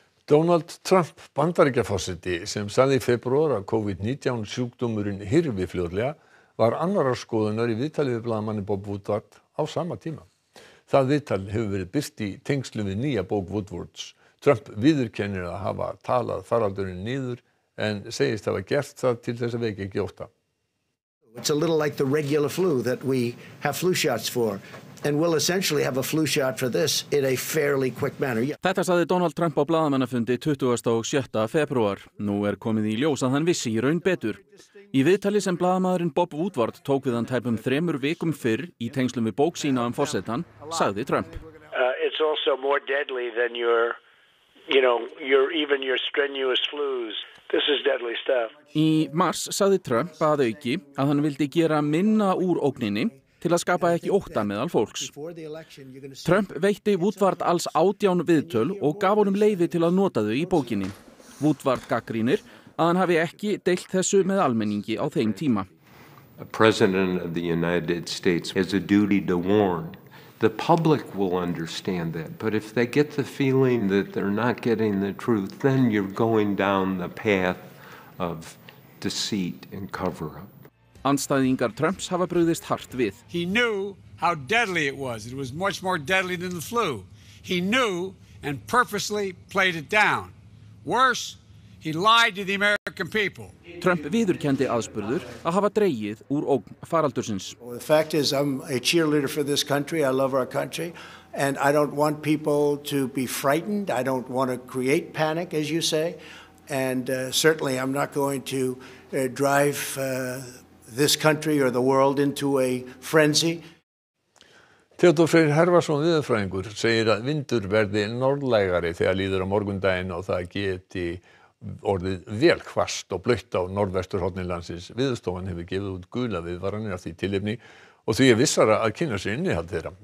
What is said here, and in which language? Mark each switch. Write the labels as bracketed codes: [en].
[is] Donald Trump, Bandaríkjaforseti, sem sagði í febrúar að COVID-19 sjúkdómurinn hyrfi fljótlega, var annarar skoðunar í viðtali við blaðamanni Bob Woodward á sama tíma. Það viðtal hefur verið birt í tengslum við nýja bók Woodwards. Trump viðurkennir að hafa talað faraldurinn niður en segist hafa gert það til þess að veki ekki óta. [en] It's a little like the regular flu that we have flu shots for and we'll essentially have a flu shot for this in a fairly quick manner. [is] Þetta sagði Donald Trump á blaðamannafundi 26. febrúar. Nú komið í ljós að hann vissi í raun betur. Í viðtali sem blaðamaðurinn Bob Woodward tók við hann tæpum 3 vikum fyrr í tengslum við bók sína forsetan, sagði Trump. [en] It's also more deadly than your strenuous flus. This is deadly stuff. [is] Í mars sagði Trump að auki að hann vildi gera minna úr ógninni til að skapa ekki ótta meðal fólks. Trump veitti Woodward alls 18 viðtöl og gaf honum leyfi til að nota þau í bókinni. Woodward gagnrýnir að hann hafi ekki deilt þessu með almenningi á þeim tíma. [en] A president of the United States has a duty to warn. The public will understand that, but if they get the feeling that they're not getting the truth, then you're going down the path of deceit and cover-up. [is] Andstæðingar Trumps hafa brugðist hart við. [en] He knew how deadly it was. It was much more deadly than the flu. He knew and purposely played it down. Worse, he lied to the American American people. [is] Trump viðurkendi aðspurður að hafa dregið úr ógn faraldursins. [en] Well, the fact is I'm a cheerleader for this country. I love our country. And I don't want people to be frightened. I don't want to create panic, as you say. And certainly I'm not going to drive this country or the world into a frenzy. [is] Theodór Freyr Hervarsson viðurfræðingur segir að vindur verði norðlægari þegar líður á morgundaginn og það geti orðið vel hvasst og blautt á norðvesturhorni landsins. Viðurstofan hefur gefið út gula viðvaranir af því tilefni og því vissara að kynna sér innihald þeirra.